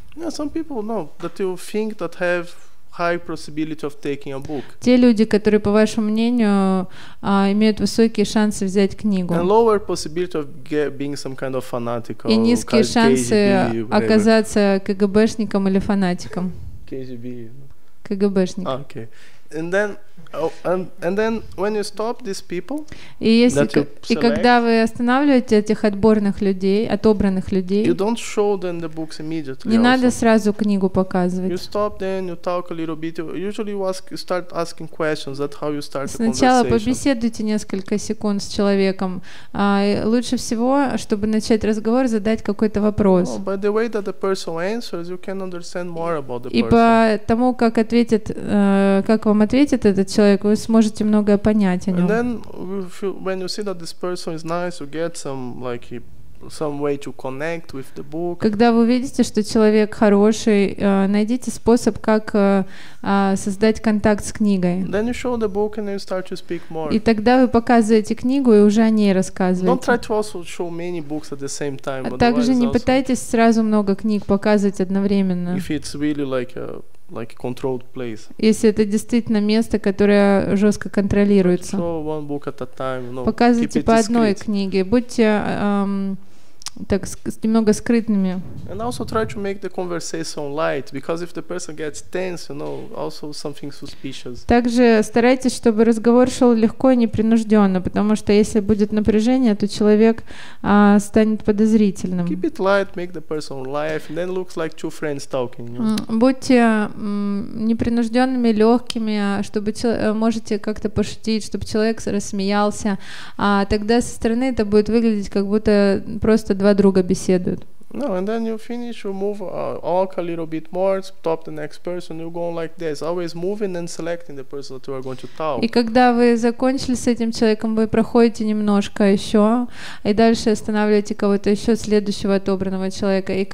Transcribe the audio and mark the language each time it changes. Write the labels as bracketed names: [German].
[English] Yeah, some people know that you think that have high possibility of taking a book. [Russian] Те люди, которые, по вашему мнению, имеют высокие шансы взять книгу. [English] And lower possibility of being some kind of fanatical. [Russian] И низкие шансы оказаться КГБшником или фанатиком. [English] KGB. [Russian] КГБшником. [English] Okay. And then when you stop these people, [Russian] и если [English] that you select, [Russian] и когда вы останавливаете этих отборных людей, отобранных людей, [English] you don't show them the books immediately. [Russian] Не [English] also. [Russian] Надо сразу книгу показывать. [English] You stop then, you talk a little bit. Usually you ask, you start asking questions. That's how you start. [Russian] Сначала побеседуйте несколько секунд с человеком. Лучше всего, чтобы начать разговор, задать какой-то вопрос. [English] Oh, by the way that the person answers, you can understand more about the [Russian] И по тому, как ответит, как вам ответит этот человек, вы сможете многое понять о нем. [English] And then when you see that this person is nice, you get some way to connect with the book. [Russian] Когда вы видите, что человек хороший, найдите способ, как создать контакт с книгой. [English] Then you show the book and then you start to speak more. [Russian] И тогда вы показываете книгу и уже о ней рассказываете. [English] Don't try to also show many books at the same time. [Russian] Также не пытайтесь сразу много книг показывать одновременно. [English] If it's really like a controlled place. [Russian] Если это действительно место, которое жестко контролируется. [English] Show one book at a time. No, [Russian] показывайте по одной книге. Будьте так немного скрытными. [English] And also try to make the conversation light, because if the person gets tense, you know, also something suspicious. [Russian] Также старайтесь, чтобы разговор шел легко и непринужденно, потому что если будет напряжение, то человек станет подозрительным. [English] Keep it light, make the person laugh, and then looks like two friends talking. You know? [Russian] Будьте непринужденными, легкими, чтобы можете как-то пошутить, чтобы человек рассмеялся, а тогда со стороны это будет выглядеть как будто просто два друга беседуют. [English] No, and then you finish, you move walk a little bit more, stop the next person, you go on like this, always moving and selecting the person that you are going to talk. [Russian] И когда вы закончили с этим человеком, вы проходите немножко еще, и дальше останавливаете кого-то еще, следующего отобранного человека,